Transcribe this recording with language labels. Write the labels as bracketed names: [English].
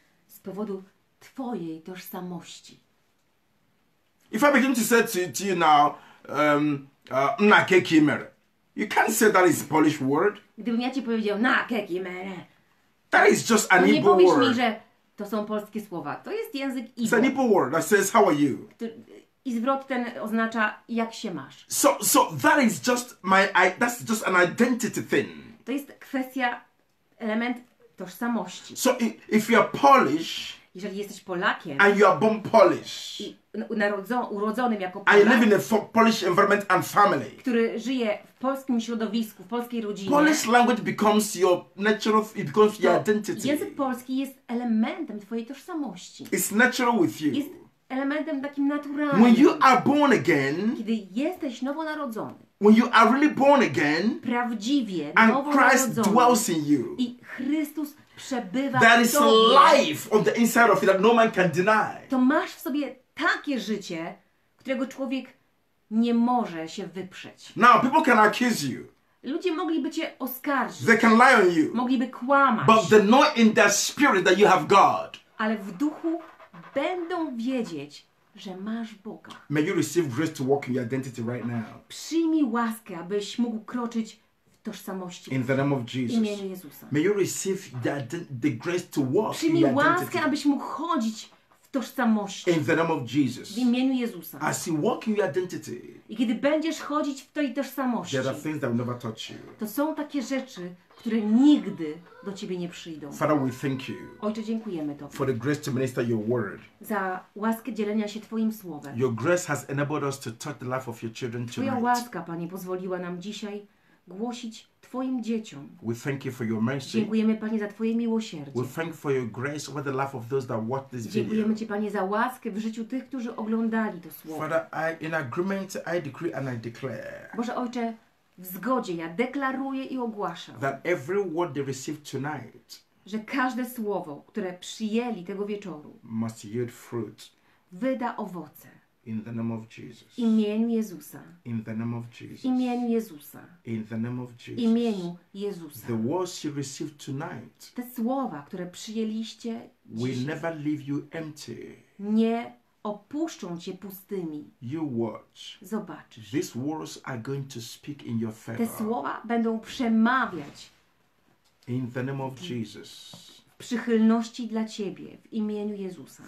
[Polish] Z powodu twojej tożsamości. [English] If I begin to say to you now, [Igbo] na kekimer, [English] you can't say that is a Polish word. [Polish] Gdybym ja ci powiedział [Igbo] na kekimer, [English] that is just an Igbo word. [Polish] Nie powiesz mi, że to są polskie słowa. To jest język Igbo. [English] It's an Igbo word that says how are you. [Polish] I zwrot ten oznacza jak się masz. [English] So that is just my, that's just an identity thing. [Polish] To jest kwestia, element tożsamości. [English] So if you are Polish, [Polish] jeżeli jesteś Polakiem, [English] and you are born Polish, [Polish] urodzonym jako Polak, [English] and you live in a Polish environment and family, [Polish] który żyje w polskim środowisku, w polskiej rodzinie, [English] Polish language becomes your natural, it becomes your identity. [Polish] Język polski jest elementem twojej tożsamości. [English] It's natural with you. [Polish] Jest elementem takim naturalnym. [English] When you are born again, [Polish] kiedy jesteś nowonarodzony, [English] when you are really born again, [Polish] prawdziwie [English] and Christ dwells in you, [Polish] i Chrystus przebywa [English] there [Polish] w tobie, [English] is life on the inside of you that no man can deny. [Polish] To masz w sobie takie życie, którego człowiek nie może się wyprzeć. [English] Now people can accuse you. [Polish] Ludzie mogliby cię oskarżyć. [English] They can lie on you. [Polish] Mogliby kłamać. [English] But they know in their spirit that you have God. [Polish] Ale w duchu będą wiedzieć, że masz Boga. [English] May you receive grace to walk in your identity right now. [Polish] Przyjmij łaskę, abyś mógł kroczyć w tożsamości. [English] In the name of Jesus. [Polish] W imieniu Jezusa. [English] May you receive the grace to walk. [Polish] Przyjmij łaskę, abyś mógł chodzić w tożsamości. [English] In the name of Jesus. [Polish] W imieniu Jezusa. [English] As you walk in your identity. [Polish] I kiedy będziesz chodzić w tej tożsamości. [English] There are things that will never touch you. [Polish] To są takie rzeczy, które nigdy do ciebie nie przyjdą. [English] Father, we thank you. [Polish] Ojcze, dziękujemy tobie. [English] For the grace to minister your word. [Polish] Za łaskę dzielenia się twoim słowem. [English] Your grace has enabled us to touch the life of your children tonight. [Polish] Twoja łaska, Panie, pozwoliła nam dzisiaj głosić twoim dzieciom. [English] We thank you for your mercy. [Polish] Dziękujemy, Panie, za twoje miłosierdzie. [English] We thank you for your grace over the life of those that watch this video. [Polish] Dziękujemy ci, Panie, za łaskę w życiu tych, którzy oglądali to słowo. [English] Father, in agreement I decree and I declare. [Polish] Boże Ojcze, w zgodzie ja deklaruję i ogłaszam, [English] that every word they receive tonight, [Polish] że każde słowo, które przyjęli tego wieczoru, [English] must yield fruit, [Polish] wyda owoce. [English] In the name of Jesus. [Polish] W imieniu Jezusa. [English] In the name of Jesus. [Polish] W imieniu Jezusa. [English] In the name of Jesus. [Polish] W imieniu Jezusa. [English] The words you receive tonight, [Polish] te słowa, które przyjęliście dzisiaj, [English] will never leave you empty. [Polish] Nie opuszczą cię pustymi. [English] You watch. [Polish] Zobaczysz. [English] These words are going to speak in your favor. [Polish] Te słowa będą przemawiać. [English] In the name of Jesus. [Polish] W przychylności dla ciebie w imieniu Jezusa.